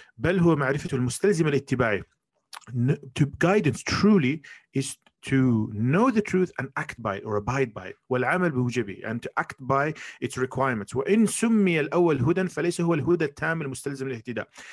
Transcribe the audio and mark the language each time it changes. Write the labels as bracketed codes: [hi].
[ar] بل هو معرفة المستلزم للاتباع. [en] To guidance truly is to know the truth and act by it or abide by it. [ar] والعمل بوجبه, [en] and to act by its requirements. [ar] وإن سمي الأول هدى فليس هو الهدى التام المستلزم للاهتداء.